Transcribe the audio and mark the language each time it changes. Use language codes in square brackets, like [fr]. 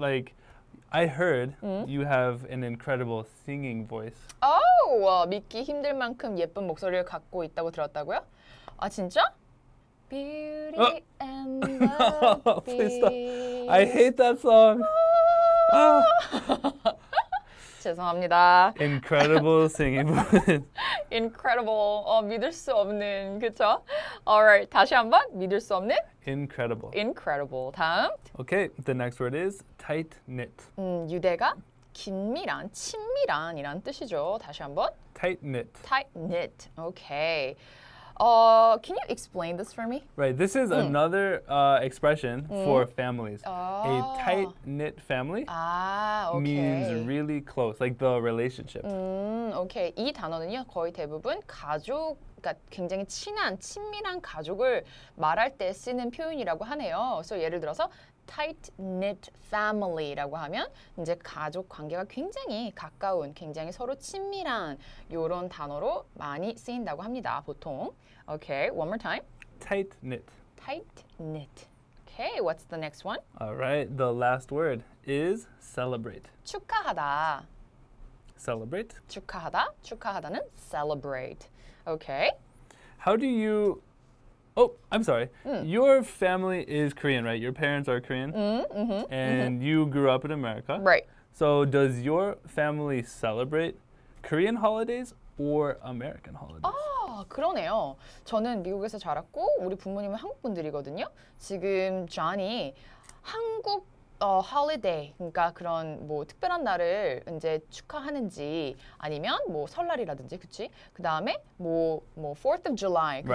[en] Like, I heard you have an incredible singing voice. [ko] Oh, 믿기 힘들 만큼 예쁜 목소리를 갖고 있다고 들었다고요? 아, 진짜? [en] Beauty and the Beast. Please stop. I hate that song. [ko] 죄송합니다. [en] Incredible singing voice. [ko] Incredible. 믿을 수 없는, 그쵸? [en] All right, [ko] 다시 한번. 믿을 수 없는? [en] Incredible. Incredible. [ko] 다음. [en] Okay, the next word is tight-knit. [ko] 유대가 긴밀한, 친밀한이란 뜻이죠. 다시 한번. [en] Tight-knit. Tight-knit. Okay. Can you explain this for me? Right, this is another expression for families. A tight-knit family means really close, like the relationship. [ko] Okay, 이 단어는요, 거의 대부분 가족, 그러니까 굉장히 친한, 친밀한 가족을 말할 때 쓰는 표현이라고 하네요. So 예를 들어서 tight-knit family라고 하면 이제 가족 관계가 굉장히 가까운, 굉장히 서로 친밀한 이런 단어로 많이 쓰인다고 합니다, 보통. [en] Okay, one more time. Tight-knit. Tight-knit. Okay, what's the next one? All right, the last word is celebrate. [ko] 축하하다. [en] celebrate. [ko] 축하하다. 축하하다는 celebrate. Okay. [en] How do you... Oh, I'm sorry. Your family is Korean, right? Your parents are Korean? You grew up in America. Right. So does your family celebrate Korean holidays or American holidays? [ko] 아, 그러네요. 저는 미국에서 자랐고 우리 부모님은 한국 분들이거든요. 지금 Johnny 한국 holiday 그러니까 그런 뭐 특별한 날을 이제 축하하는지 아니면 뭐 설날이라든지 그치? 그 다음에 뭐 4th of July 그쵸?